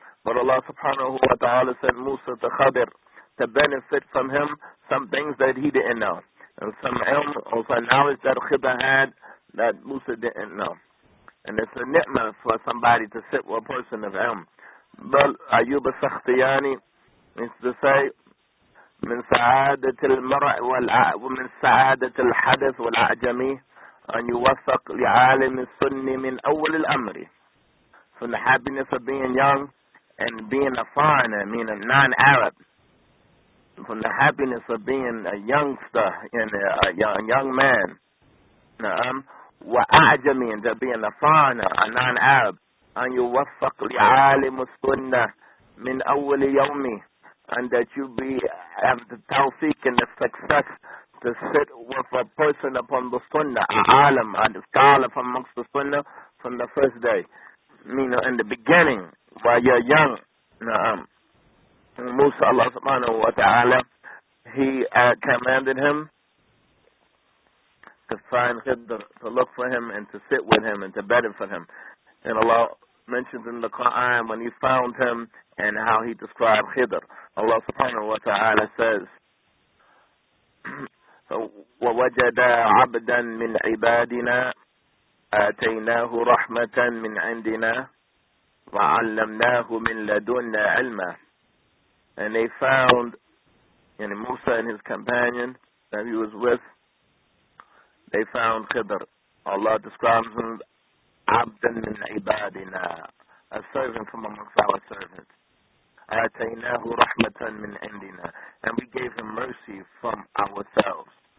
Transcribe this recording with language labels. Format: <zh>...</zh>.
<en>But Allah subhanahu wa ta'ala sent Musa to Khadir to benefit from him some things that he didn't know, and some ilm or some knowledge that Khidr had that Musa didn't know. And it's a ni'mah for somebody to sit with a person of ilm. But Ayyub al-Sakhtiyani is to say,</en> <ar>من سعادة المرء ومن سعادة الحدث والأعجمي أن يوفق لعالم السن من أول الأمر.</ar> <en>So the happiness of being young and being a foreigner, meaning non-Arab. From the happiness of being a youngster, a young man. وأعجمي, and being a foreigner, a non-Arab.</en> <ar>أن يوفق لعالم السنة من أول يومي.</ar> <en>And that you be have the tawfiq and the success to sit with a person upon the sunnah, an alim, a scholar from amongst the sunnah from the first day. Meaning in the beginning, while you're young, Musa, Allah subhanahu wa ta'ala, he commanded him to find Khidr, to look for him and to sit with him and to better for him. And Allah mentions in the Quran when he found him and how he described Khidr.</en> <ar>Allah subhanahu wa ta'ala says, وَوَجَدَ عَبْدًا مِنْ عِبَادِنَا آتَيْنَاهُ رَحْمَةً مِنْ عِنْدِنَا وَعَلَّمْنَاهُ مِنْ لَدُنَّا عِلْمًا.</ar> <en>And they found, Musa and his companion that he was with, they found Khidr. Allah describes him,</en> <ar>عَبْدًا مِنْ عِبَادِنَا,</ar> <en>a servant from amongst our servants.</en> <ar>آتَيْنَاهُ رَحْمَةً مِنْ عِنْدِنَا,</ar> <en>and we gave him mercy from ourselves.</en>